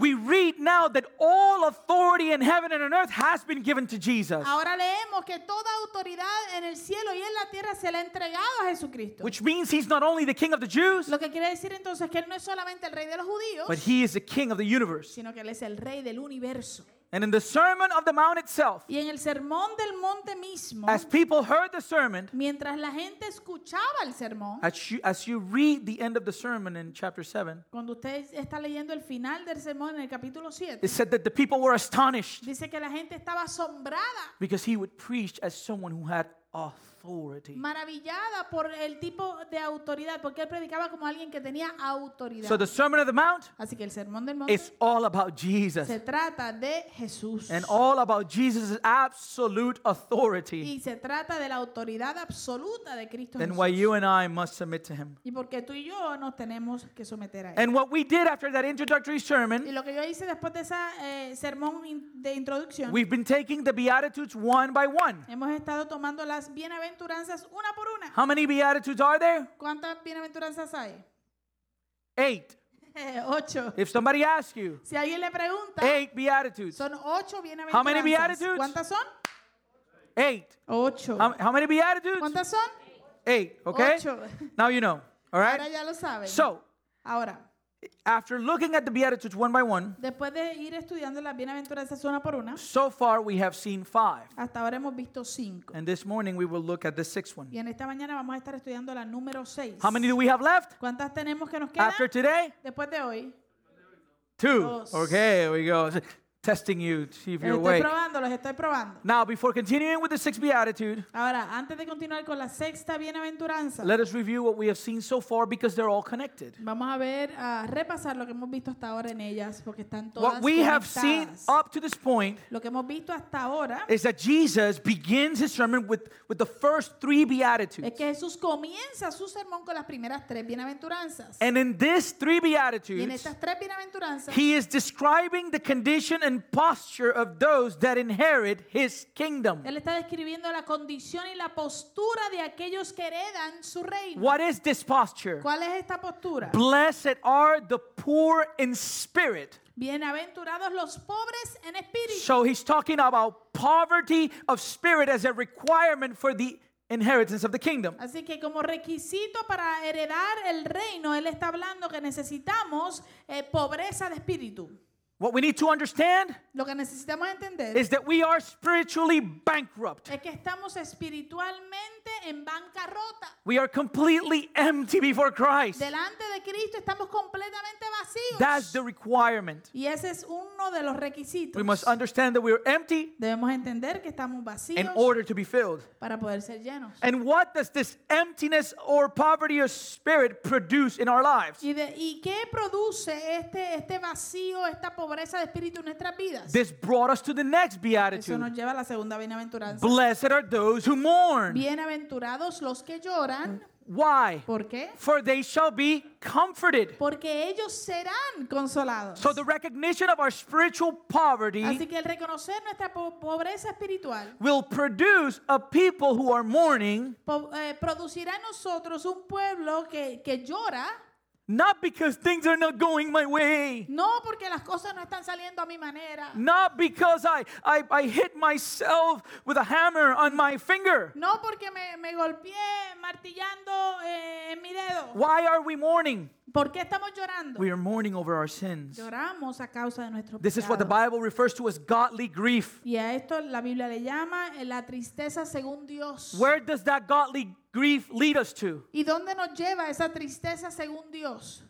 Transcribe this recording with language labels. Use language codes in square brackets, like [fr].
[en] we read now that all authority in heaven and on earth has been given to Jesus. [es] Ahora leemos que toda autoridad en el cielo y en la tierra se le ha entregado a Jesucristo. [en] Which means he's not only the King of the Jews, [es] lo que quiere decir entonces que él no es solamente el rey de los judíos, [en] but he is the King of the universe, [es] sino que él es el rey del universo. [en] And in the Sermon of the Mount itself, [es] y en el Sermón del Monte mismo, [en] as people heard the sermon, [es] mientras la gente escuchaba el sermón, [en] as you read the end of the sermon in chapter 7, [es] cuando usted está leyendo el final del sermón en el capítulo 7, [en] it said that the people were astonished, [es] dice que la gente estaba asombrada, [en] because he would preach as someone who had authority. [es] Maravillada por el tipo de autoridad, porque él predicaba como alguien que tenía autoridad. [en] So the Sermon of the Mount, [es] así que el Sermón del Monte, [en] is all about Jesus. [es] Se trata de Jesús. [en] And all about Jesus' absolute authority. [es] Y se trata de la autoridad absoluta de Cristo. [en] Then Why you and I must submit to him. [es] Y porque tú y yo nos tenemos que someter a él. [en] And what we did after that introductory sermon, [es] y lo que yo hice después de esa sermón de introducción, [en] we've been taking the Beatitudes one by one. [es] Hemos estado tomando las bienaventuranzas una por una. [en] How many Beatitudes are there? [es] ¿Cuántas bienaventuranzas hay? [en] Eight. [es] Ocho. [en] If somebody asks you, [es] si alguien le pregunta, [en] eight Beatitudes. [es] Son ocho bienaventuranzas. [en] How many Beatitudes? [es] ¿Cuántas son? [en] Eight. [es] Ocho. [en] How many Beatitudes? [es] ¿Cuántas son? [en] Eight. Okay? [es] Ocho. [en] Now you know. All right? [es] Ahora ya lo saben. [en] So, [es] ahora, [en] after looking at the Beatitudes one by one, [es] después de ir estudiando las bienaventuranzas una por una, [en] so far we have seen five. [es] Hasta ahora hemos visto cinco. [en] And this morning we will look at the sixth one. [es] Y en esta mañana vamos a estar estudiando la número seis. [en] How many do we have left? [es] ¿Cuántas tenemos que nos quedan? [en] After today? [es] Después de hoy. [en] Two. Okay, here we go. Testing you to see if you're awake. [es] Estoy probando, los estoy probando. [en] Now, before continuing with the sixth beatitude, [es] ahora, antes de continuar con la sexta bienaventuranza, [en] let us review what we have seen so far because they're all connected. [es] Vamos a ver, a repasar lo que hemos visto hasta ahora en ellas porque están todas conectadas. [en] What we have seen up to this point, [es] lo que hemos visto hasta ahora, [en] is that Jesus begins his sermon with the first three beatitudes. [es] Es que Jesús comienza su sermón con las primeras tres bienaventuranzas. [en] And in these three beatitudes, [es] y en estas tres bienaventuranzas, [en] he is describing the condition and posture of those that inherit his kingdom. [es] Él está describiendo la condición y la postura de aquellos que heredan su reino. [en] What is this posture? [es] ¿Cuál es esta postura? [en] Blessed are the poor in spirit. [es] Bienaventurados los pobres en espíritu. [en] So he's talking about poverty of spirit as a requirement for the inheritance of the kingdom. [es] Así que como requisito para heredar el reino, él está hablando que necesitamos pobreza de espíritu. [en] What we need to understand, [es] lo que necesitamos entender, [en] is that we are spiritually bankrupt. [es] Es que estamos espiritualmente en bancarrota. [en] We are completely empty before Christ. [es] Delante de Cristo estamos completamente vacíos. [en] That's the requirement. [es] Y ese es uno de los requisitos. [en] We must understand that we are empty. [es] Debemos entender que estamos vacíos. [en] In order to be filled. [es] Para poder ser llenos. [en] And what does this emptiness or poverty of spirit produce in our lives? [es] Y qué produce este vacío, esta pobreza de espíritu en nuestras vidas. [en] This brought us to the next beatitude. [es] Eso nos lleva a la segunda bienaventuranza. [en] Blessed are those who mourn. [es] Bienaventurados los que lloran. [en] Why? [es] ¿Por qué? [en] For they shall be comforted. [es] Porque ellos serán consolados. [en] So the recognition of our spiritual poverty, [es] así que el reconocer nuestra pobreza espiritual, [en] will produce a people who are mourning. [es] Producirá en nosotros un pueblo que llora. [en] Not because things are not going my way. [es] No, porque las cosas no están saliendo a mi manera. [en] Not because I hit myself with a hammer on my finger. [es] No, porque me golpeé martillando en mi dedo. [en] Why are we mourning? [es] ¿Por qué estamos llorando? [en] We are mourning over our sins. [es] Lloramos a causa de nuestro pecado. [en] This is what the Bible refers to as godly grief. [es] Y a esto la Biblia le llama la tristeza según Dios. [en] Where does that godly grief lead us to? [es] ¿Y dónde nos lleva esa tristeza según Dios?